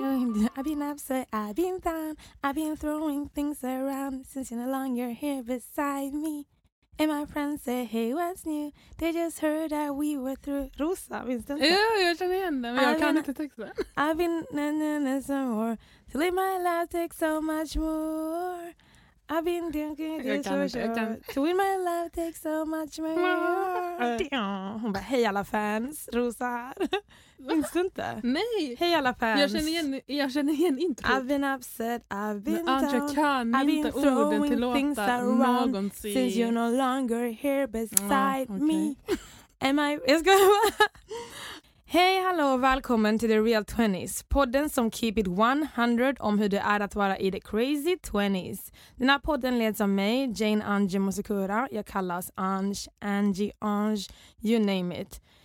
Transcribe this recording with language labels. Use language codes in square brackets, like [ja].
[en] I've been throwing things around since you're no longer here beside me. And my friends say, hey, what's new? They just heard that we were through. [sv] Rosa, minns du inte? Jo, jag känner igen den, men jag kan inte texta. [en] I've been na-na-na some more. To live my life takes so much more. I've been thinking this for sure. To win my life takes so much more. [sv] Hon bara, hej alla fans, Rosa här. Minns du inte? Nej. Hej alla fans. Jag känner igen intro. [en] I've been upset, I've been down. [sv] Andra kan inte orden till låta någonsin. [en] I've been throwing things around since you're no longer here beside me. Am I... [sv] Jag ska bara... Hej, hallå och välkommen till The Real 20s. Podden som [en] keep it 100 [sv] om hur det är att vara i The Crazy 20s. Den här podden leds av mig, Jane Ange Mosikura. Jag kallas Ange, Angie, Ange, you name it.